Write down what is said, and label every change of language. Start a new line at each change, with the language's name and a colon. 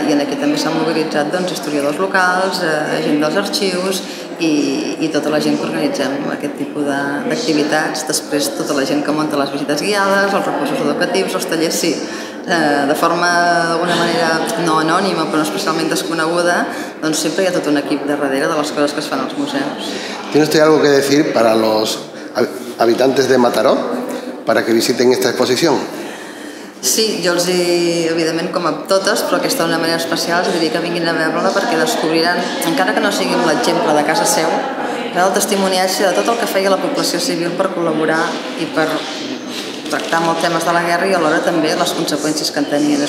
Catalan: I en aquí també s'han mobilitzat doncs, historiadors locals, gent dels arxius i tota la gent que organitzem aquest tipus d'activitats. Després, tota la gent que munta les visites guiades, els recursos educatius, els tallers, sí. De forma d'alguna manera no anònima però especialment desconeguda, doncs sempre hi ha tot un equip de darrere de les coses que es fan als museus.
Spanish: ¿Tienes usted algo que decir para los habitantes de Mataró para que visiten esta exposición?
Catalan: Sí, jo els hi, evidentment, com a totes, però aquesta d'una manera especial, els diria que vinguin a veure-la perquè descobriran, encara que no siguin l'exemple de casa seu, el testimoniatge de tot el que feia la població civil per col·laborar i per tractar molt temes de la guerra i alhora també les conseqüències que en tenien.